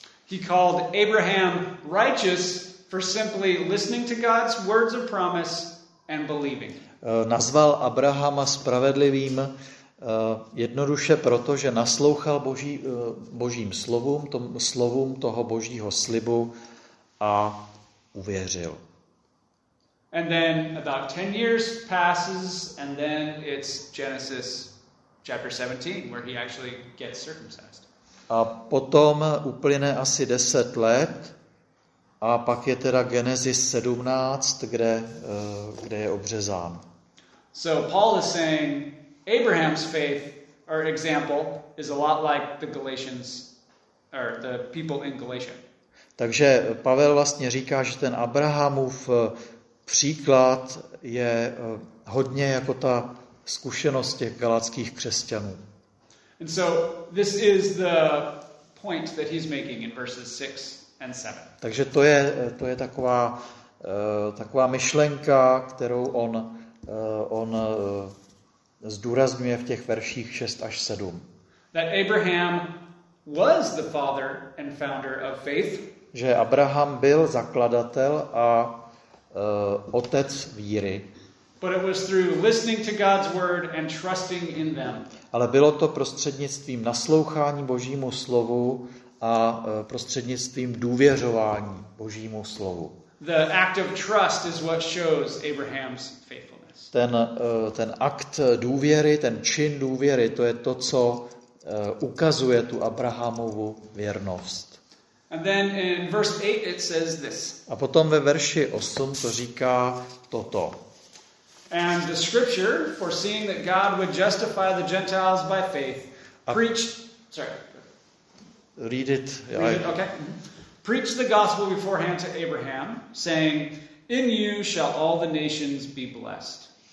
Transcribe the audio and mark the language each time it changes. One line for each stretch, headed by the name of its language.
English: He called Abraham righteous for simply listening to God's words of promise and believing.
Czech: Nazval Abrahama spravedlivým jednoduše proto, že naslouchal božím slovům, slovům toho božího slibu a uvěřil.
English: And then about 10 years passes and then it's Genesis chapter 17 where he actually gets circumcised.
Czech: A potom uplyne asi 10 let a pak je teda Genesis 17, kde je obřezán.
English: So Paul is saying Abraham's faith or example is a lot like the Galatians or the people in Galatia.
Czech: Takže Pavel vlastně říká, že ten Abrahamův příklad je hodně jako ta zkušenost těch galatských křesťanů.
English: And so this is the point that he's making in verses 6 and 7.
Czech: Takže to je taková myšlenka, kterou on zdůrazňuje v těch verších 6 až 7.
English: That Abraham was the father and founder of faith.
Czech: Že Abraham byl zakladatel a otec víry.
English: But it was through listening to God's word and trusting in them.
Czech: Ale bylo to prostřednictvím naslouchání Božímu slovu a prostřednictvím důvěřování Božímu slovu.
English: The act of trust is what shows Abraham's faith.
Czech: Ten akt důvěry, ten čin důvěry, to je to, co ukazuje tu Abrahamovu věrnost.
English: And then in verse 8 it says this.
Czech: A potom ve verši 8 to říká toto.
English: And the scripture, foreseeing that God would justify the Gentiles by faith, preached... Sorry. Read it. Read it, okay. preach the gospel beforehand to Abraham, saying, in you shall all the nations be blessed.